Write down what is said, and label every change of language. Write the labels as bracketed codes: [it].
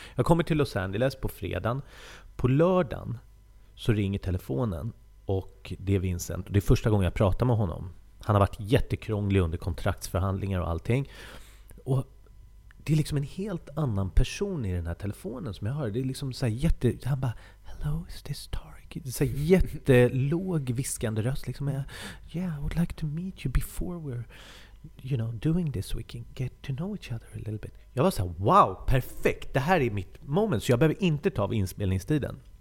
[sv] Jag kommer till Los Angeles på fredagen. På lördagen så ringer telefonen och det är Vincent. Det är första gången jag pratar med honom. Han har varit jättekrånglig under kontraktsförhandlingar och allting. Och det är liksom en helt annan person i den här telefonen som jag hör. Det är liksom så här jätte... Han bara, [en] hello, is this Tarik? [sv] Så här jättelåg viskande röst. [en] Liksom, yeah, I would like to meet you before we're... you know, doing this, we can get to know each other a little bit. [sv] Jag var så här, wow, perfekt, det här är mitt moment, så jag behöver inte ta av inspelningstiden.